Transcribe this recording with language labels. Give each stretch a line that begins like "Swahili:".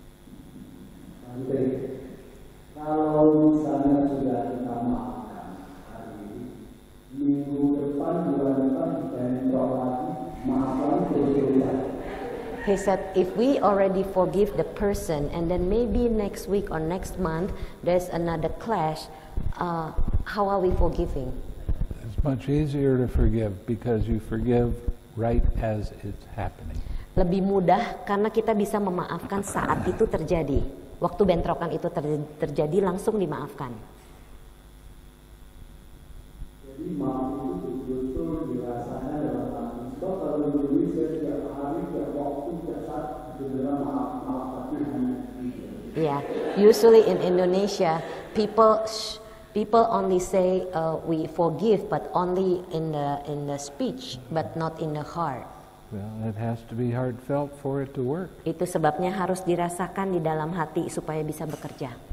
Indonesian: Bante, kalau misalnya sudah kita maafkan hari ini, minggu depan, bulan depan, bentrok lagi, maafkan kecilnya.
English: He said, if we already forgive the person, and then maybe next week or next month, there's another clash, how are we forgiving? It's much easier to forgive because you forgive right as it's happening.
Indonesian: Lebih mudah karena kita bisa memaafkan saat itu terjadi. Waktu bentrokan itu terjadi, langsung dimaafkan. Jadi maaf itu justru dirasanya dalam hati. Kalau menulis setiap hari, setiap waktu,
English: yeah, usually in Indonesia, people only say we forgive, but only in the speech, but not in the heart. Well, it has to be heartfelt for it to work.
Indonesian: Itu sebabnya harus dirasakan di dalam hati supaya bisa bekerja.